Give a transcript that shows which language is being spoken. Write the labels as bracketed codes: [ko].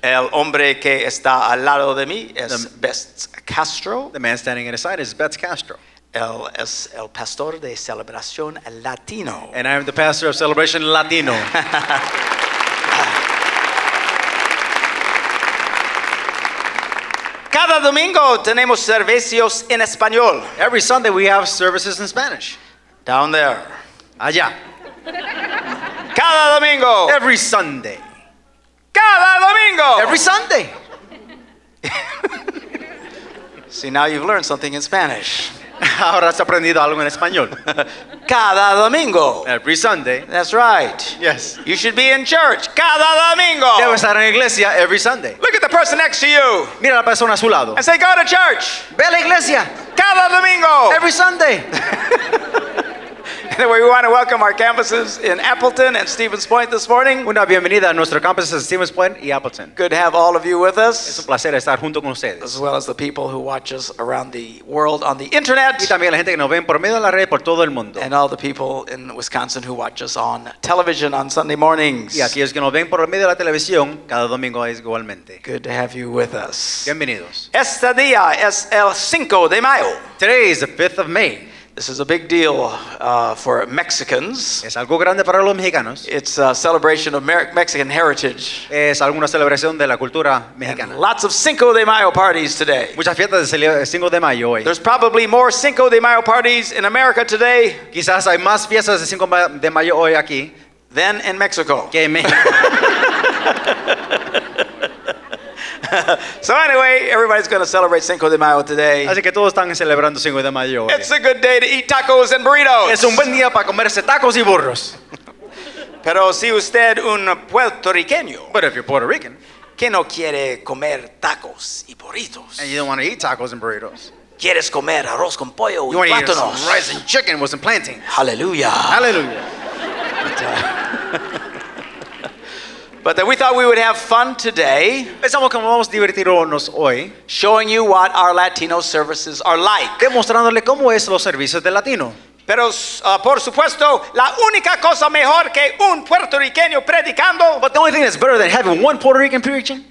[es] El hombre que está al lado de mí es Betz Castro. [en] The man standing at his side is Betz Castro. [es] Él es el pastor de Celebración Latino. [en] And I am the pastor of Celebration Latino. [es] Cada domingo tenemos servicios en español. [en] Every Sunday we have services in Spanish. Down there. [es] Allá. Cada domingo. [en] Every Sunday. [es] Cada domingo. [en] Every Sunday. See, now you've learned something in Spanish. [es] Ahora has aprendido algo en español. Cada domingo. [en] Every Sunday. That's right. Yes. You should be in church. [es] Cada domingo. Debes estar en iglesia [en] every Sunday. Look at the person next to you. [es] Mira a la persona a su lado. [en] And say, go to church. [es] Ve a la iglesia. Cada domingo. [en] Every Sunday. Anyway, we want to welcome our campuses in Appleton and Stevens Point this morning. [es] Una bienvenida a nuestro campus en Stevens Point y Appleton. [en] Good to have all of you with us. [es] Es un placer estar junto con ustedes. [en] As well as the people who watch us around the world on the internet. [es] Y también la gente que nos ven por medio de la red por todo el mundo. [en] And all the people in Wisconsin who watch us on television on Sunday mornings. [es] Y aquellos que nos ven por medio de la televisión cada domingo igualmente. [en] Good to have you with us. [es] Bienvenidos. Este día es el 5 de mayo. [en] Today is the 5th of May. This is a big deal for Mexicans. [es] Es algo grande para los mexicanos. [en] It's a celebration of Mexican heritage. [es] Es alguna celebración de la cultura mexicana. [en] And lots of Cinco de Mayo parties today. [es] Muchas fiestas de Cinco de Mayo hoy. [en] There's probably more Cinco de Mayo parties in America today. [es] Quizás hay más fiestas de Cinco de Mayo hoy aquí. [en] Than in Mexico. [es] Que en México. [en] So anyway, everybody's going to celebrate Cinco de Mayo today. [es] Así que todos están celebrando Cinco de Mayo hoy. [en] It's a good day to eat tacos and burritos. [es] Es un buen día para comerse tacos y burros. Pero si usted un puertorriqueño. [en] But if you're Puerto Rican. [es] ¿Qué no quiere comer tacos y burritos? [en] And you don't want to eat tacos and burritos. [es] ¿Quieres comer arroz con pollo y plátanos? [en] You want to eat some rice and chicken with some plantain. Hallelujah. Hallelujah. But then we thought we would have fun today. [es] Pensamos que vamos a divertirnos hoy. [en] Showing you what our Latino services are like. [es] Demostrándole cómo es los servicios de Latino. Pero por supuesto, la única cosa mejor que un puertorriqueño predicando. [en] But the only thing that's better than having one Puerto Rican preaching.